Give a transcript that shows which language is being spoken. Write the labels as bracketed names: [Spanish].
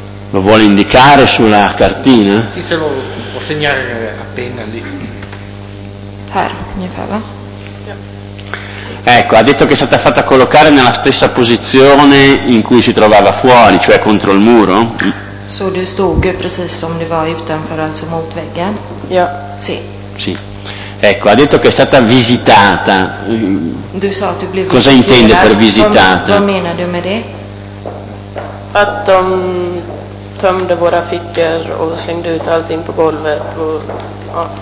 [Italian] Lo vuole indicare sulla cartina? Sì, se lo può segnare a penna lì. Per, mi fa, va? Ecco, ha detto che è stata fatta collocare nella stessa posizione in cui si trovava fuori, cioè contro il muro? [Swedish] Så du stod precis som du var utanför, alltså mot väggen? Ja. [Italian] Sì. Sì. Ecco, ha detto che è stata visitata. [Swedish] Du sa att du blev [Italian] Cosa intende per visitata? [Swedish] Vad menar du med det? Att de tömde våra fickor och slängde ut allting på golvet och ja.